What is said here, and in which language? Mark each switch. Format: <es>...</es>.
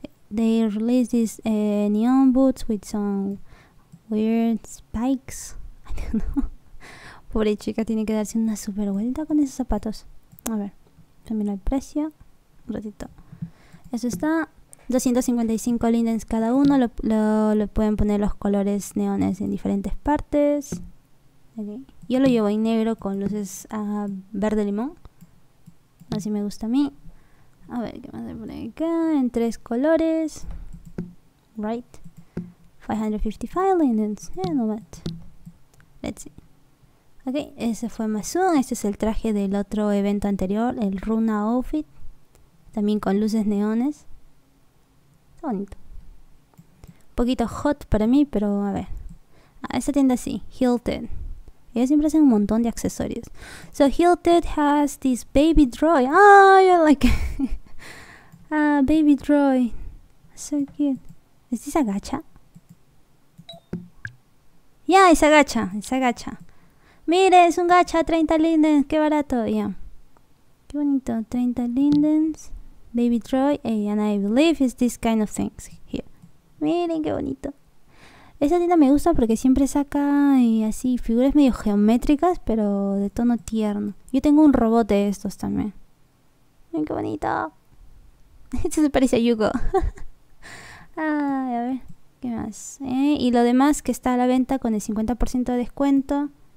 <en>They released these neon boots with some weird spikes. I don't know.</en> <es>Pobre chica, tiene que darse una super vuelta con esos zapatos. A ver, se mira el precio. Un ratito. Eso está... 255 lindens cada uno. Lo pueden poner los colores neones en diferentes partes. Okay. Yo lo llevo en negro con luces verde limón. Así me gusta a mí. A ver, ¿qué más voy a poner acá? En tres colores.</es> <en>Right. 555 lindens. Yeah, no bad. Let's see.</en> <es>Ok, ese fue Mazum. Este es el traje del otro evento anterior. El Runa Outfit. También con luces neones. Bonito. Un poquito hot para mí, pero a ver. Esta tienda sí, Hilted. Ellos siempre hacen un montón de accesorios.</es> <en>So Hilted has this baby droy. Oh, I like it. Baby droy. So cute.</en> <es>¿Es esa gacha? Yeah, esa gacha. Esa gacha. Mire, es un gacha, 30 lindens. Qué barato. Yeah. Qué bonito, 30 lindens.</es> <en>Baby Troy, and I believe it's this kind of things here.</en> <es>Miren qué bonito. Esa tienda me gusta porque siempre saca así figuras medio geométricas, pero de tono tierno. Yo tengo un robot de estos también. Miren qué bonito. Este se parece a Yugo. Ay, a ver, ¿qué más? Y lo demás que está a la venta con el 50% de descuento.</es>